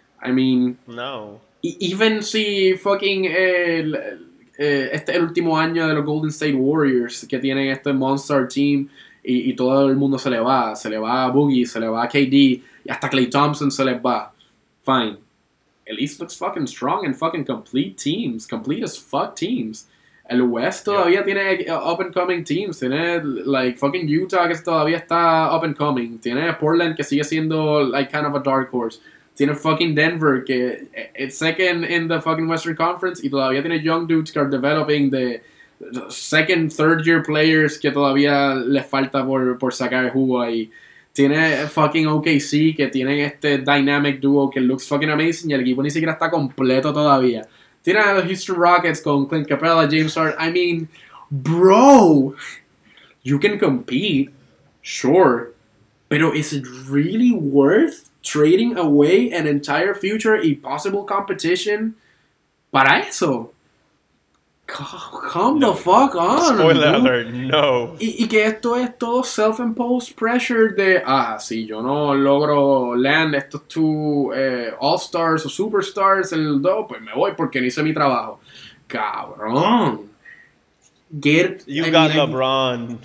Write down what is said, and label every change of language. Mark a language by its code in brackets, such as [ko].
[en] I mean, no. [es] Even si fucking este es el último año de los Golden State Warriors, que tienen este monster team y todo el mundo se le va a Boogie, se le va a KD, y hasta Klay Thompson se les va. [en] Fine. At least looks fucking strong and fucking complete teams. Complete as fuck teams. [es] El West todavía tiene [en] up and coming teams. [es] Tiene like fucking Utah que todavía está [en] up and coming. [es] Tiene Portland que sigue siendo [en] like kind of a dark horse. [es] Tiene fucking Denver, que [en] it's second in the fucking Western Conference, [es] y todavía tiene young dudes que [en] are developing the second, third year players [es] que todavía les falta por sacar jugo ahí. Tiene fucking OKC, que tiene este dynamic duo que [en] looks fucking amazing, [es] y el equipo ni siquiera está completo todavía. Tiene a los Houston Rockets con Clint Capella, James Harden. [en] I mean, bro, you can compete, sure, pero is it really worth trading away an entire future and possible competition [es] para eso? [en] Come the fuck on. Spoiler alert, no. [es] Y que esto es todo [en] self-imposed pressure [es] de, si yo no logro land estos 2 all-stars o superstars en el 2, pues me voy porque no hice mi trabajo. Cabrón. LeBron.